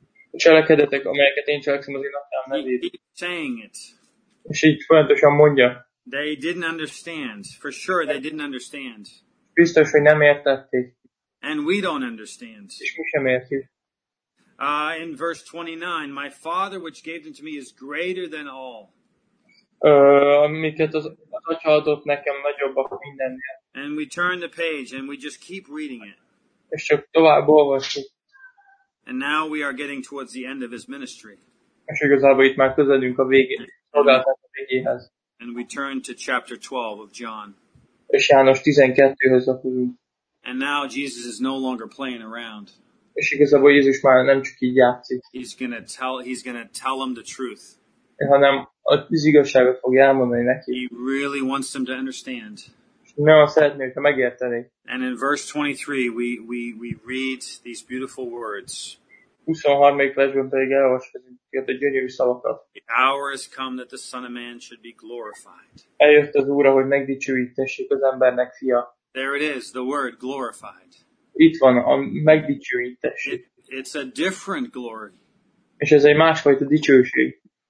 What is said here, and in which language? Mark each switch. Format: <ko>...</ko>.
<hu>A cselekedetek, amelyeket én cselekszem az én Atyám nevében.</hu> <en>He keeps saying it.</en> <hu>És így folyamatosan mondja.</hu> <en>They didn't understand, for sure they didn't understand.</en> <hu>Biztos, hogy nem értették.</hu> <en>And we don't understand.</en> <hu>És mi sem értjük.</hu> <en>In verse 29, my father which gave them to me is greater than all.</en> <hu>Amiket az Atya adott nekem nagyobbak mindennél.</hu> <en>And we turn the page and we just keep reading it.</en> <hu>És csak tovább olvassuk.</hu> <en>And now we are getting towards the end of his ministry.</en> <hu>És igazából itt már közelünk a végén, szolgálatának a végéhez.</hu> <en>And we turn to chapter 12 of John.</en> <hu>És János 12-höz akarunk.</hu> <en>And now Jesus is no longer playing around.</en> <hu>És igazából Jézus már nem csak így játszik.</hu> <en>He's gonna tell them the truth.</en> <hu>Hanem az igazságot fogja elmondani neki.</hu> <en>He really wants them to understand.</en> <hu>Nagyon szeretné, hogyha megérteni.</hu> <en>And in verse 23 we read these beautiful words.</en> <hu>23. versben pedig elolvashatjuk a gyönyörű szavakat.</hu> <en>The hour has come that the Son of Man should be glorified.</en> <hu>Eljött az óra, hogy megdicsőítessék az embernek fia.</hu> <en>There it is, the word glorified.</en> <hu>Itt van a megdicsőítessék.</hu> <en>It's a different glory.</en> <hu>És ez egy másfajta dicsőség.</hu>